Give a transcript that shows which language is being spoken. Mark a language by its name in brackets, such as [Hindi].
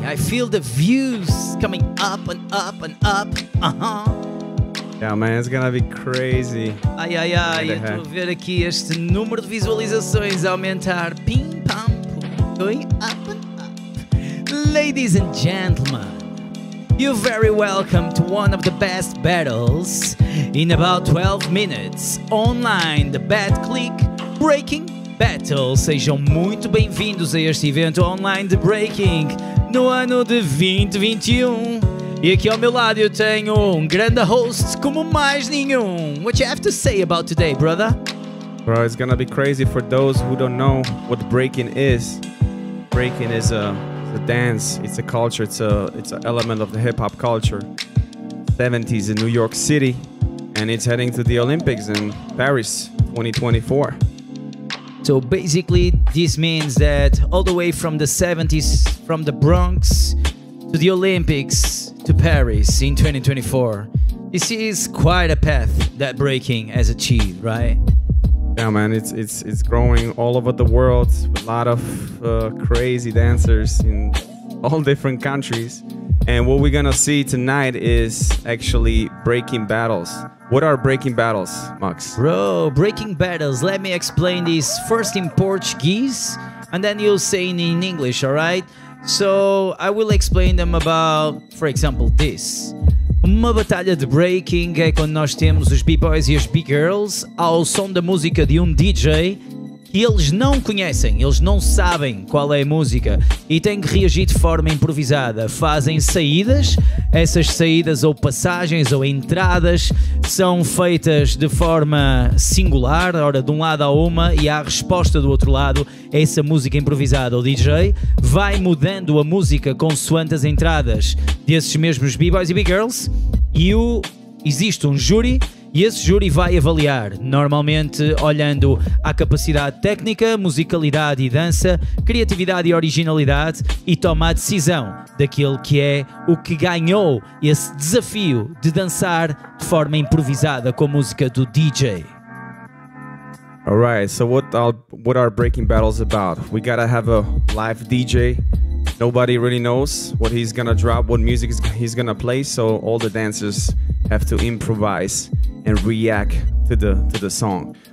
[English] I feel the views coming up and up and up. Uh-huh. Yeah, man, it's gonna be crazy. [Portuguese] Ai, ai, ai, eu tô a ver aqui este número de visualizações aumentar. [English] Ping, pam, pum, going up and up. Ladies and gentlemen, you're very welcome to one of the best battles in about 12 minutes online, the Betclic Breaking Battle. [Portuguese] Sejam muito bem-vindos a este evento online de Breaking no ano de 2021. E aqui ao meu lado eu tenho um grande host como mais nenhum. [English] What you have to say about today, brother? Bro, it's gonna be crazy for those who don't know what breaking is. Breaking is a dance, it's a culture, it's an element of the hip-hop culture. 70s in New York City, and it's heading to the Olympics in Paris 2024. So basically, this means that all the way from the 70s, from the Bronx to the Olympics, to Paris in 2024. This is quite a path that breaking has achieved, right? Yeah, man, it's growing all over the world with a lot of crazy dancers in all different countries. And what we're gonna see tonight is actually breaking battles. What are breaking battles, Max? Bro, breaking battles. Let me explain this first in Portuguese and then you'll say it in English, all right? So, I will explain them about, for example, this. [Portuguese] Uma batalha de breaking é quando nós temos os b-boys e as b-girls ao som da música de DJ que eles não conhecem, eles não sabem qual é a música e têm que reagir de forma improvisada. Fazem saídas, essas saídas ou passagens ou entradas são feitas de forma singular, ora, de um lado a uma e há a resposta do outro lado. Essa música improvisada, o DJ vai mudando a música consoante as entradas desses mesmos b-boys e b-girls e existe um júri e esse júri vai avaliar, normalmente olhando à capacidade técnica, musicalidade e dança, criatividade e originalidade e toma a decisão daquele que é o que ganhou esse desafio de dançar de forma improvisada com a música do DJ. [English] All right, so what are breaking battles about? We gotta have a live DJ. Nobody really knows what he's gonna drop, what music he's gonna play, so all the dancers have to improvise and react to the song.